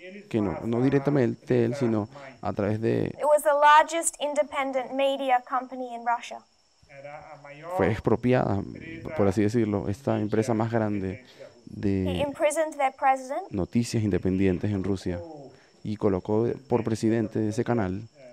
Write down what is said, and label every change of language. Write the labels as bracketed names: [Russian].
[Spanish] Que no directamente él, sino a través de. [English] It was the largest independent media company in Russia. [Spanish] Fue expropiada, por así decirlo, esta empresa más grande de noticias independientes en Rusia y colocó por presidente de ese canal.